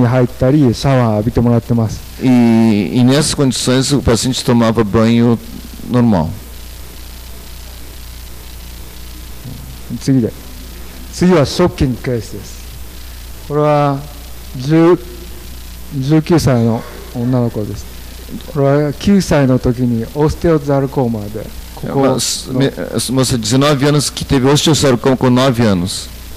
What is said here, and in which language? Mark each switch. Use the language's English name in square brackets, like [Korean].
[Japanese] 普通にこのままお風呂に入ったりシャワー浴びてもらってます。 [Portuguese] E nessas condições o paciente tomava banho normal. [Japanese] 次はショッキングケースです。これは19歳の女の子です。これは9歳の時にオステオサルコーマで。 [Portuguese] Moça de 19 anos que teve osteosarcoma com 9 anos.